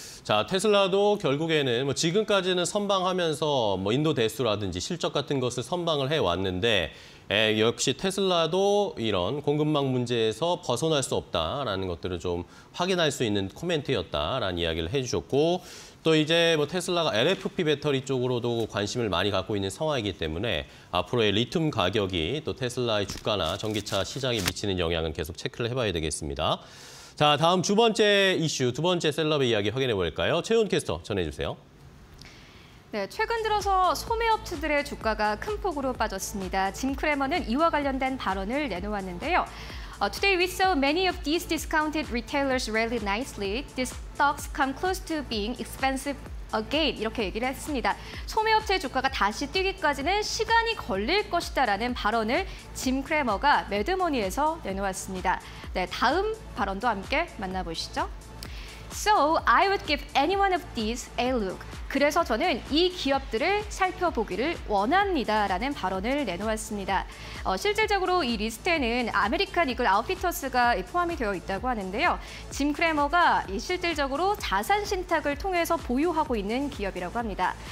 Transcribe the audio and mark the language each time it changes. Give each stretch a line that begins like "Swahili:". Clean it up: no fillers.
Korean: 자, 테슬라도 결국에는 뭐 지금까지는 선방하면서 뭐 인도 대수라든지 실적 같은 것을 선방을 해왔는데 역시 테슬라도 이런 공급망 문제에서 벗어날 수 없다라는 것들을 좀 확인할 수 있는 코멘트였다라는 이야기를 해주셨고 또 이제 뭐 테슬라가 LFP 배터리 쪽으로도 관심을 많이 갖고 있는 상황이기 때문에 앞으로의 리튬 가격이 또 테슬라의 주가나 전기차 시장에 미치는 영향은 계속 체크를 해봐야 되겠습니다. 자, 다음 두 번째 이슈, 두 번째 셀럽의 이야기 확인해볼까요? 최훈 캐스터 전해주세요. 네, 최근 들어서 소매업체들의 주가가 큰 폭으로 빠졌습니다. 짐 크레머는 이와 관련된 발언을 내놓았는데요.
English: Today we saw many of these discounted retailers rally nicely. These stocks come close to being expensive again.
Korean: 이렇게 얘기를 했습니다. 소매업체 주가가 다시 뛰기까지는 시간이 걸릴 것이다 라는 발언을 짐 크레머가 매드머니에서 내놓았습니다. 네, 다음 발언도 함께 만나보시죠.
English: So I would give any one of these a look.
Korean: 그래서 저는 이 기업들을 살펴보기를 원합니다라는 발언을 내놓았습니다. 실질적으로 이 리스트에는 아메리칸 이글 아웃피터스가 포함이 되어 있다고 하는데요. 짐 크레머가 실질적으로 자산 신탁을 통해서 보유하고 있는 기업이라고 합니다.